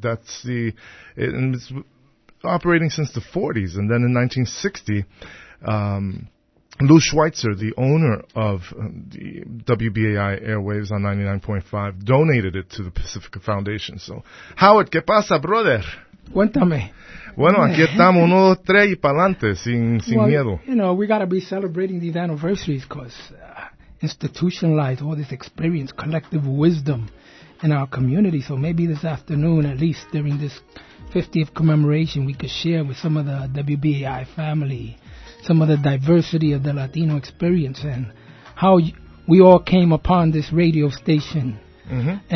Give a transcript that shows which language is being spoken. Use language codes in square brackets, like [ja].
[en] That's the, and it's operating since the 40s. And then in 1960, Lou Schweitzer, the owner of the WBAI airwaves on 99.5, donated it to the Pacifica Foundation. [es] So, Howard, ¿qué pasa, brother? Cuéntame. Bueno, aquí estamos, uno, tres y pa'lante, sin [en] well, [es] miedo. [en] You know, we got to be celebrating these anniversaries because institutionalized all this experience, collective wisdom in our community. So maybe this afternoon, at least during this 50th commemoration, we could share with some of the WBAI family some of the diversity of the Latino experience and how we all came upon this radio station. Mm-hmm.